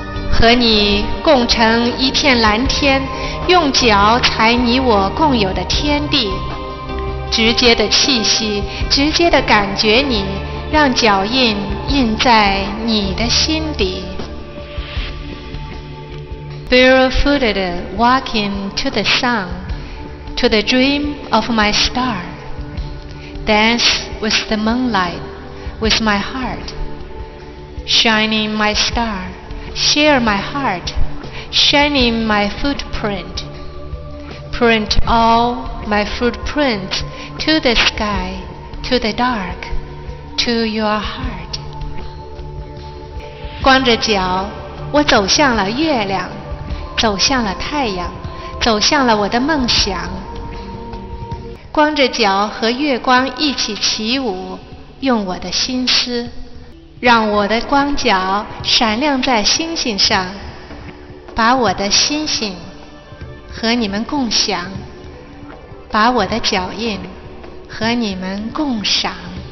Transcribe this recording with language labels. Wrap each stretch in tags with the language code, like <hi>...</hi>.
<zh>和你共乘一片蓝天，用脚踩你我共有的天地，直接的气息，直接的感觉你，让脚印印在你的心底。</zh> <en>Barefooted walking to the sun, to the dream of my star, dance with the moonlight, with my heart, shining my star, share my heart, shining my footprint, print all my footprints to the sky, to the dark, to your heart.</en> <zh>光着脚，我走向了月亮，走向了太阳，走向了我的梦想。光着脚和月光一起起舞，用我的心思，让我的光脚闪亮在星星上，把我的星星和你们共享，把我的脚印和你们共赏。</zh>